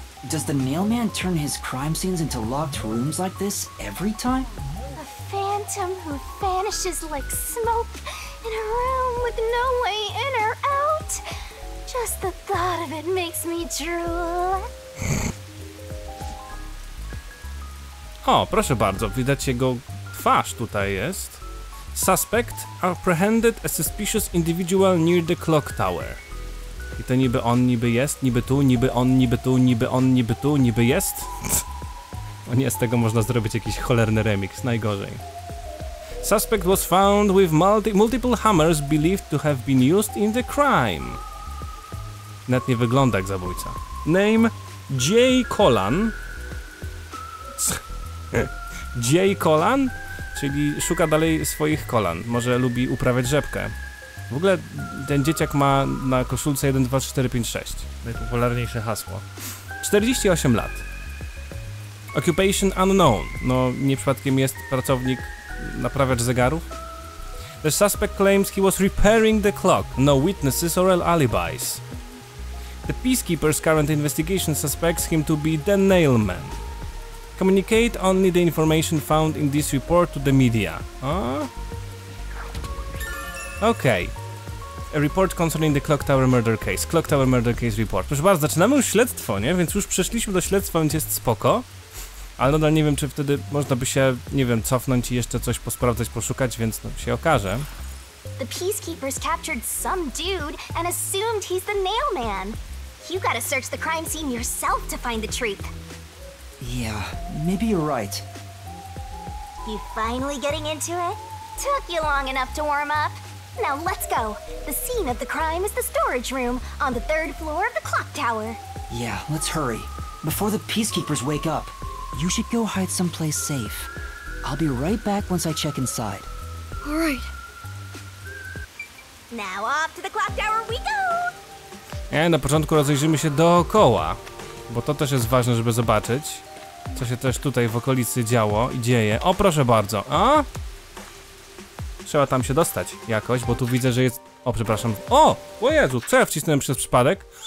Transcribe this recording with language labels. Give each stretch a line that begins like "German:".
English: Does the mailman turn his crime scenes into locked rooms like this every time? A phantom who vanishes like smoke in a room with no way in or out? Just the thought of it makes me drool.
Polish: O, proszę bardzo, widać jego twarz tutaj jest.
English: Suspect apprehended a suspicious individual near the clock tower.
Polish: I to niby on, niby jest, niby tu, niby on, niby tu, niby on, niby tu, niby jest. O nie, z tego można zrobić jakiś cholerny remix, najgorzej.
English: Suspect was found with multiple hammers believed to have been used in the crime.
Polish: Nawet nie wygląda jak zabójca. Name Jay Colan. Jay Colan? Czyli szuka dalej swoich kolan. Może lubi uprawiać rzepkę. W ogóle ten dzieciak ma na koszulce 1, 2, 4, 5, 6. Najpopularniejsze hasło. 48 lat.
English: Occupation unknown.
Polish: No, nie przypadkiem jest pracownik naprawiacz zegarów.
English: The suspect claims he was repairing the clock. No witnesses or alibis. The peacekeeper's current investigation suspects him to be the nailman. Communicate only the information found in this report to the media. Okej. Okay. A report concerning the Clock Tower murder case. Clock Tower murder case report.
Polish: Proszę bardzo, zaczynamy już śledztwo, nie? Więc już przeszliśmy do śledztwa, więc jest spoko. Ale nadal nie wiem, czy wtedy można by się, nie wiem, cofnąć i jeszcze coś posprawdzać, poszukać, więc no, się okaże.
English: The peacekeepers captured some dude and assumed he's the nailman. You gotta search the crime scene yourself to find the truth. Yeah, maybe you're right. You finally getting into it? Took you long enough to warm up. Now let's go. The scene of the crime is the storage room on the third floor of the clock tower. Yeah, let's hurry. Before the peacekeepers wake up, you should go hide someplace safe. I'll be right back once I check inside. All right. Now off to the clock tower we go!
Polish: Yeah, na początku rozejrzymy się dookoła. Bo to też jest ważne, żeby zobaczyć, co się też tutaj w okolicy działo i dzieje. O, proszę bardzo. A? Trzeba tam się dostać jakoś, bo tu widzę, że jest... O, przepraszam. O Jezu, co ja wcisnąłem przez przypadek?